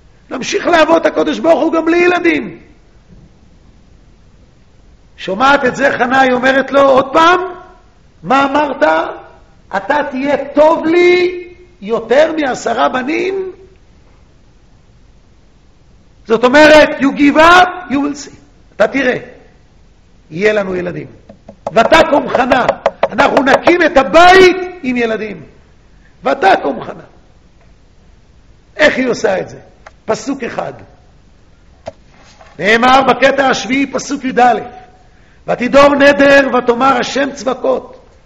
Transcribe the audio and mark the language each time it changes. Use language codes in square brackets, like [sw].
[he] נמשיך לעבוד הקדוש ברוך הוא גם לילדים. שומעת את זה חנה, היא אומרת לו, עוד פעם, מה אמרת? אתה תהיה טוב לי יותר מ10 בנים? זאת אומרת, [en] you give up, you will see. [he] אתה תראה, יהיה לנו ילדים. ואתה קומחנה, אנחנו נקים את הבית עם ילדים. ואתה קומחנה. איך היא עושה את זה? פסוק אחד. נאמר בקטע השביעי, פסוק י' א'. ותדור נדר ותאמר השם צבאות.